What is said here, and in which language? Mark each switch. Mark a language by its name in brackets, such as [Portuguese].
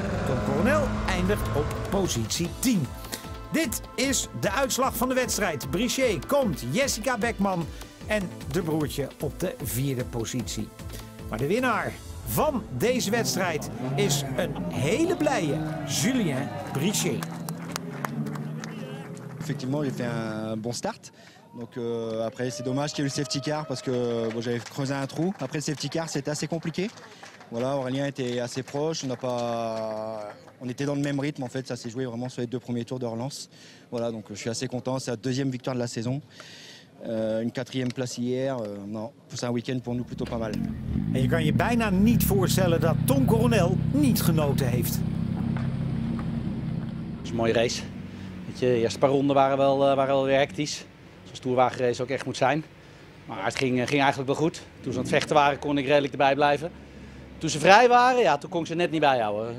[Dutch] Tom Coronel eindigt op positie 10. Dit is de uitslag van de wedstrijd. Brichet, Comte, Jessica Beckman en de broertje op de vierde positie. Maar de winnaar van deze wedstrijd is een hele blije Julien Brichet. [French] Effectivement, j'ai fait un bon start. Donc après c'est dommage qu'il y ait le safety car parce que bon, j'avais creusé un trou. Après le safety car, c'était assez compliqué. Voilà, Aurélien était assez proche, on était dans le même rythme en fait, ça s'est joué vraiment sur les deux premiers tours de relance. Voilà, donc je suis assez content, c'est la deuxième victoire de la saison. Une quatrième place hier, non, c'est un week-end pour nous plutôt pas mal. [Dutch] En je kan je bijna niet voorstellen dat Tom Coronel niet genoten heeft. Het is een mooie race. Weet je, de eerste paar ronden waren wel weer hectisch. Zoals toerwagenrace ook echt moet zijn. Maar het ging eigenlijk wel goed. Toen ze aan het vechten waren, kon ik redelijk erbij blijven. Toen ze vrij waren, ja, toen kon ik ze net niet bijhouden.